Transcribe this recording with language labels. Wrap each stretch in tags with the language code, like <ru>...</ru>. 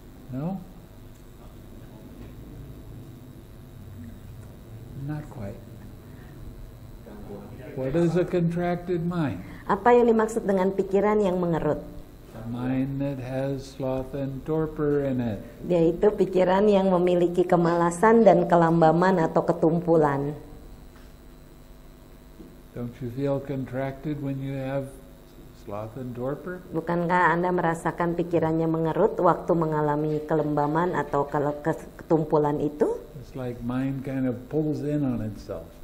<en>No? Not quite. What is a contracted mind?</en> <id>Apa yang dimaksud dengan pikiran yang mengerut?</id> <en>A mind that has sloth and torpor in it.</en> <id>Yaitu pikiran yang memiliki kemalasan dan kelambaman atau ketumpulan.</id> <en>Don't you feel contracted when you have sloth and torpor?</en> <id>Bukankah Anda merasakan pikirannya mengerut waktu mengalami kelembaman atau ketumpulan itu?</id> <en>It's like mind kind of pulls in on itself.</en>